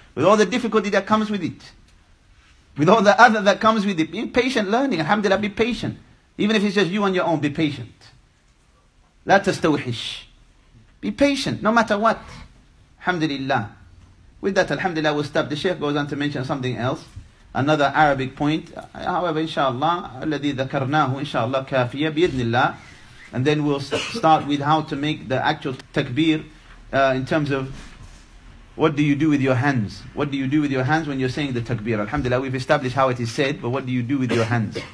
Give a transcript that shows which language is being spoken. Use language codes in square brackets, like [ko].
[en] With all the difficulty that comes with it. With all the other that comes with it. Being patient, learning. Alhamdulillah, be patient. Even if it's just you on your own, be patient. [ar] لا تستوحش. [en] Be patient, no matter what. Alhamdulillah. With that, alhamdulillah, we'll stop. The Shaykh goes on to mention something else. Another Arabic point. [ar] However, inshallah, الَّذِي ذَكَرْنَاهُ inshallah كَافِيَ بِيَدْنِ اللَّهِ. [en] And then we'll start with how to make the actual takbir in terms of what do you do with your hands? What do you do with your hands when you're saying the takbir? Alhamdulillah, we've established how it is said, but what do you do with your hands?